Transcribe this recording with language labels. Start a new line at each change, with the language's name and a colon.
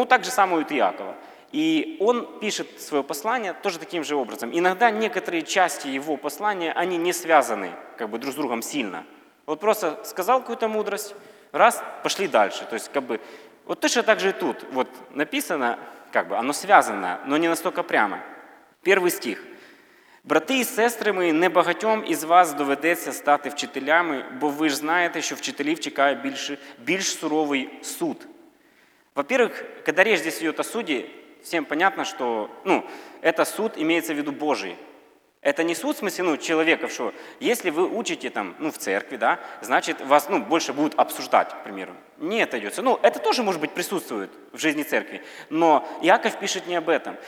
Russian: Ну, так же самое у Иакова. И он пишет свое послание тоже таким же образом. Иногда некоторые части его послания, они не связаны как бы друг с другом сильно. Вот просто сказал какую-то мудрость, раз, пошли дальше. То есть, как бы, вот точно так же и тут вот, написано, как бы оно связано, но не настолько прямо. Первый стих.
Ukrainian: «Брати і сестри мої, не багатьом із вас доведеться стати вчителями, бо ви ж знаєте, що вчителів чекає більш суровий суд».
Russian: Во-первых, когда речь здесь идет о суде, всем понятно, что это суд имеется в виду Божий. Это не суд в смысле человека, что если вы учите там, в церкви, да, значит, вас больше будут обсуждать, к примеру. Не это идется. Это тоже, может быть, присутствует в жизни церкви. Но Иаков пишет не об этом.